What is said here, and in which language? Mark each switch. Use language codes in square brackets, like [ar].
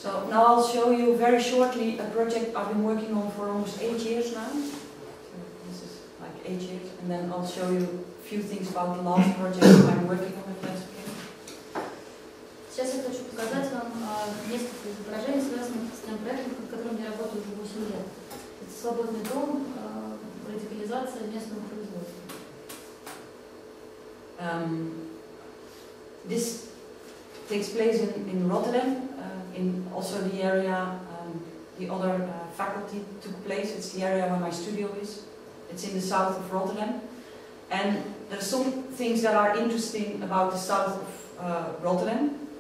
[en] So now I'll show you very shortly a project I've been working on for almost 8 years now. So this is like 8 years, and then I'll show you a few things about the last project I'm working on. [ru] Сейчас я хочу показать вам несколько изображений, связанных с тем проектом, над которым я работаю уже 8 лет. Это свободный дом, радикализация местного производства. [en] This takes place in Rotterdam, in also the area the other faculty took place. It's the area where my studio is. It's in the south of Rotterdam. And there are some things that are interesting about the south of Rotterdam.